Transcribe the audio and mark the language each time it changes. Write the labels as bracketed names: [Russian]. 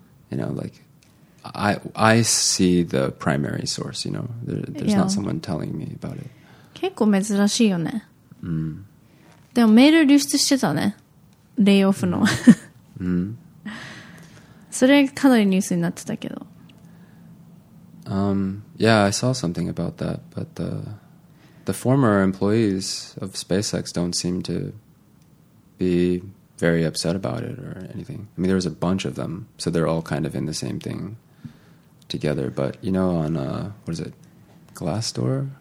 [English] You know, like, I see the primary source, you know. There's not someone telling me about it. [Japanese] 結構珍しいよね。 Mm. でもメール流出してたね。レイオフの。 Mm. Mm. それかなりニュースになってたけど。 [English] Yeah, I saw something about that. But the former employees of SpaceX don't seem to be very upset about it or anything. I mean, there was a bunch of them, so they're all kind of in the same thing together. But, you know, on, what is it, Glassdoor?